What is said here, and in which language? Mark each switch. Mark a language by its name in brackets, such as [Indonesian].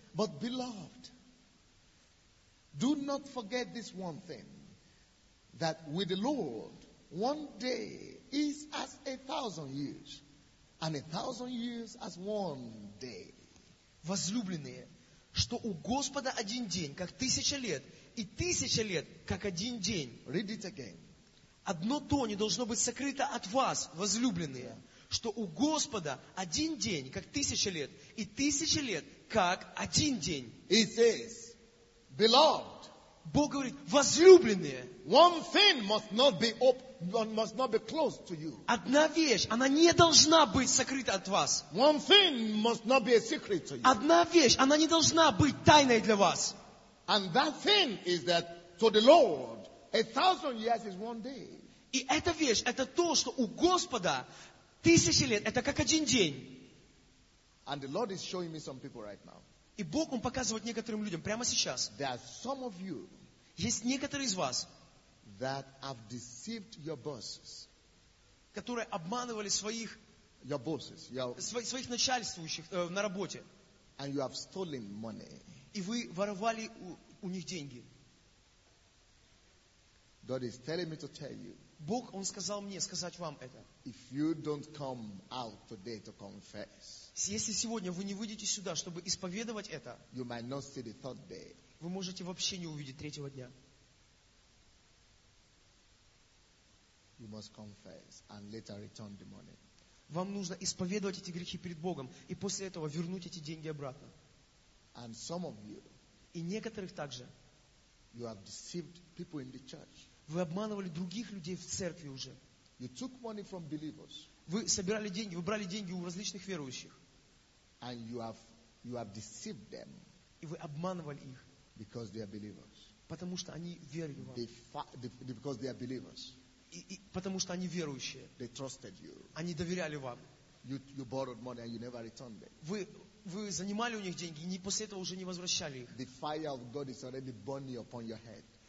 [English] But beloved, do not forget this one thing, that with the Lord, one day is as a thousand years. And a thousand years as one day. [Russian] Возлюбленные, что у Господа один день, как тысяча лет, и тысяча лет, как один день. [English] Read it again. [Russian] Одно то не должно быть сокрыто от вас, возлюбленные, что у Господа один день, как тысяча лет, и тысяча лет, как один день. [English] He says, beloved. [Russian] Бог говорит, возлюбленные. [English] One thing must not be open. One must not be close to you. [Russian] Одна вещь, она не должна быть сокрыта от вас. [English] One thing must not be a secret to you. [Russian] Одна вещь, она не должна быть тайной для вас. [English] And that thing is that to the Lord, a thousand years is one day. [Russian] И эта вещь, это то, что у Господа тысячи лет, это как один день. [English] And the Lord is showing me some people right now. [Russian] И Бог, Он показывает некоторым людям прямо сейчас. [English] There are some of you. [Russian] Есть некоторые из вас. [English] That have deceived your bosses, [Russian] которые обманывали своих [English] your bosses, your, [Russian] своих начальствующих на работе, [English] and you have stolen money. [Russian] И вы воровали у них деньги. [English] God is telling me to tell you, [Russian] Бог, Он сказал мне сказать вам это. [English] If you don't come out today to confess, [Russian] если сегодня вы не выйдете сюда, чтобы исповедовать это, [English] you might not see the third day. [Russian] Вы можете вообще не увидеть третьего дня. [English] You must confess and later return the money. [Russian] Вам нужно исповедовать эти грехи перед Богом и после этого вернуть эти деньги обратно. [English] And some of you, [Russian] и некоторых также. [English] You have deceived people in the church. [Russian] Вы обманывали других людей в церкви уже. [English] You took money from believers. [Russian] Вы собирали деньги, вы брали деньги у различных верующих. [English] And you have deceived them. [Russian] И вы обманывали их. [English] Because they are believers. [Russian] Потому что они верили вам. [English] Because they are believers. [Russian] И потому что они верующие. [English] They trusted you. [Russian] Они доверяли вам. [English] You borrowed money and you never returned it. [Russian] Вы занимали у них деньги, и после этого уже не возвращали их. [English] The fire of God is already burning upon your head.